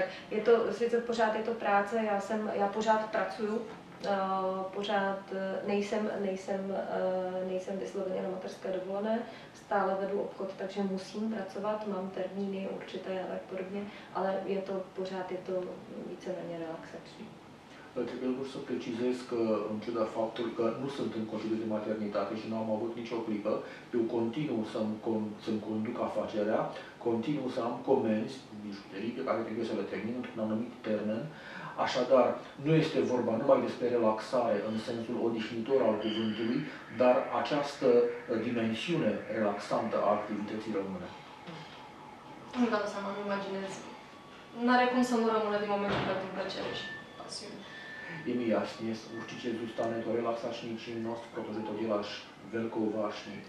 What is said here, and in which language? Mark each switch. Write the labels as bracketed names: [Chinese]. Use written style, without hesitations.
[Czech] Je to sice pořád je to práce, já pořád pracuju, pořád nejsem vysloveně na mateřské dovolené, stále vedu obchod, takže musím pracovat, mám termíny určité a tak podobně, ale je to pořád víceméně relaxační. [Romanian] Trebuie să precizez că, în ciuda faptului că nu sunt în concediu de maternitate și nu am avut nicio clipă, eu continuu să-mi conduc afacerea, continuu să am comenzi, bijuterii pe care trebuie să le termin într-un anumit termen. Așadar, nu este vorba numai despre relaxare în sensul odihnitor al cuvântului, dar această dimensiune relaxantă a activității rămâne. Nu-mi dau seama, nu-mi imaginez. N-are cum să nu rămână din momentul dat în plăcere și pasiune. [Czech] Je mi jasně, určitě zůstane to relaxační činnost, protože to děláš velkou vášní.